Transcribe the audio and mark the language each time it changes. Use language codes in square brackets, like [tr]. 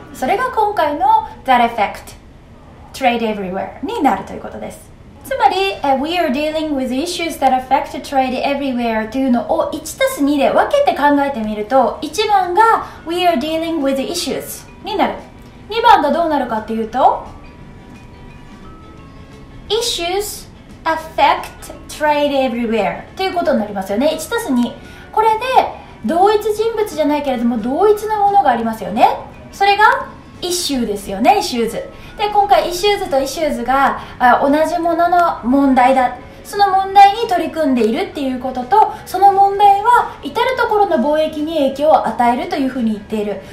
[ja] それが今回の [en] That effect Trade everywhere [ja] になるということです。つまり [en] We are dealing with issues that affect trade everywhere [ja] というのを 1+2 で分けて考えてみると、1番が [en] We are dealing with issues [ja] になる、2番がどうなるかというと [en] issues affect trade everywhere [ja] ということになりますよね。1たす2、これで同一人物じゃないけれども同一のものがありますよね。それが issue ですよね。issues で今回 issues と issues が同じものの問題だ、その問題に取り組んでいるっていうことと、その問題は至る所の貿易に影響を与えるというふうに言っている。